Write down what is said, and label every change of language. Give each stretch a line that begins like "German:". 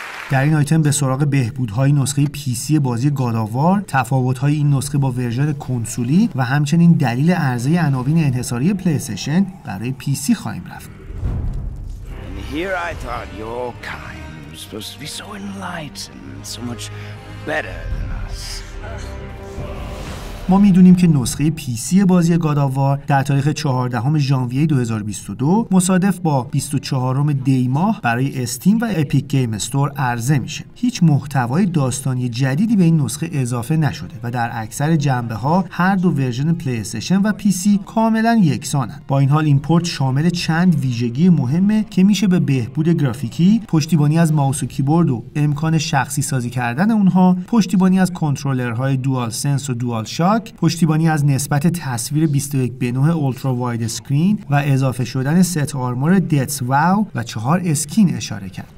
Persian: در این آیتم به سراغ بهبودهای نسخه PC بازی گاداوار، تفاوت‌های این نسخه با ورژن کنسولی و همچنین دلیل عرضه عناوین انحصاری پلی‌استیشن برای PC خواهیم رفت.
English: Here I thought your kind was supposed to be so enlightened, so much better than us.
Persian: ما میدونیم که نسخه PC بازی گاداوار در تاریخ 14 ژانویه 2022 مصادف با 24 دی ماه برای استیم و اپیک گیم استور عرضه میشه. هیچ محتوای داستانی جدیدی به این نسخه اضافه نشده و در اکثر جنبه‌ها هر دو ورژن پلی استیشن و PC کاملا یکسانند. با این حال این پورت شامل چند ویژگی مهمه که میشه به بهبود گرافیکی، پشتیبانی از ماوس و کیبورد و امکان شخصی سازی کردن اونها، پشتیبانی از کنترلرهای دوال سنس و دوال پشتیبانی از نسبت تصویر 21:9 اولترا واید اسکرین و اضافه شدن ست آرمور دتس واو و 4 اسکین اشاره کرد.